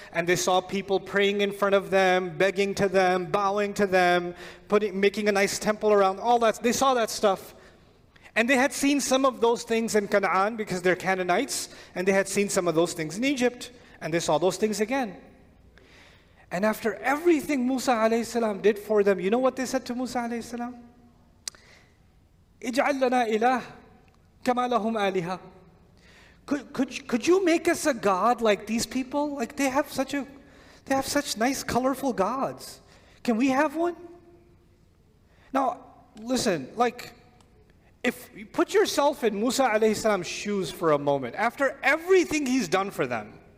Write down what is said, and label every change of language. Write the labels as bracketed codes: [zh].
[en] And they saw people praying in front of them, begging to them, bowing to them, making a nice temple around, all that. They saw that stuff. And they had seen some of those things in Canaan because they're Canaanites. And they had seen some of those things in Egypt. And they saw those things again. And after everything Musa alayhi salam did for them, you know what they said to Musa alayhi salam? [ar] اجعل لنا إله كما لهم آلهة. [en] Could you make us a god like these people? Like they have such nice colorful gods. Can we have one? Now, listen, like if you put yourself in Musa alayhi salam's shoes for a moment, after everything he's done for them,